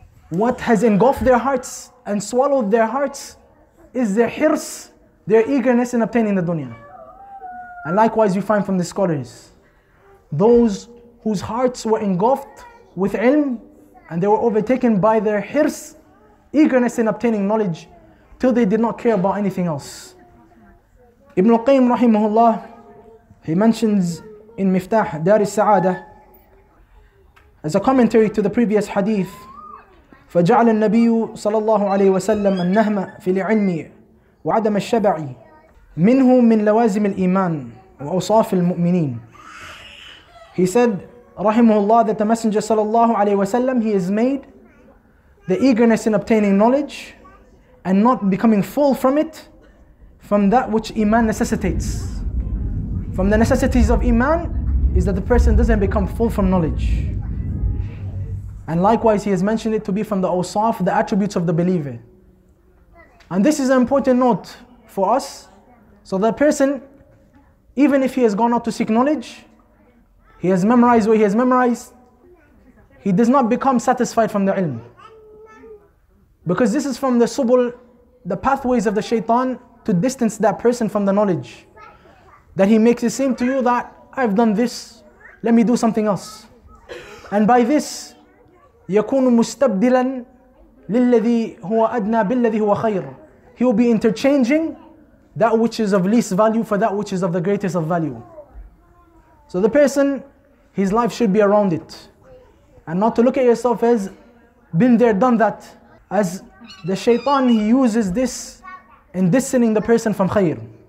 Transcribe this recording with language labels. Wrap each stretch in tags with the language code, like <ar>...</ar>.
<en>What has engulfed their hearts and swallowed their hearts is their hirs, their eagerness in obtaining the dunya. And likewise, you find from the scholars, those whose hearts were engulfed with ilm and they were overtaken by their hirs, eagerness in obtaining knowledge, till they did not care about anything else. Ibn al-Qayyim rahimahullah, he mentions in Miftah Dar al-Sa'ada, as a commentary to the previous hadith,</en> <ar>فجعل النبي صلى الله عليه وسلم النهم في العلم وعدم الشبع منه من لوازم الإيمان وأوصاف المؤمنين.</ar> <en>He said, رحمه الله, that the Messenger صلى الله عليه وسلم, he has made the eagerness in obtaining knowledge and not becoming full from it from that which iman necessitates. From the necessities of iman is that the person doesn't become full from knowledge. And likewise, he has mentioned it to be from the awsaf, the attributes of the believer. And this is an important note for us. So that person, even if he has gone out to seek knowledge, he has memorized what he has memorized, he does not become satisfied from the ilm. Because this is from the subul, the pathways of the shaitan to distance that person from the knowledge. That he makes it seem to you that, I've done this, let me do something else. And by this,</en> <ar>يَكُونُ مُسْتَبْدِلًا لِلَّذِي هُوَ أَدْنَى بِالَّذِي هُوَ خَيْرٌ.</ar> <en>He will be interchanging that which is of least value for that which is of the greatest of value. So the person, his life should be around it. And not to look at yourself as, been there, done that. As the shaitan, he uses this in distancing the person from khayr.</en>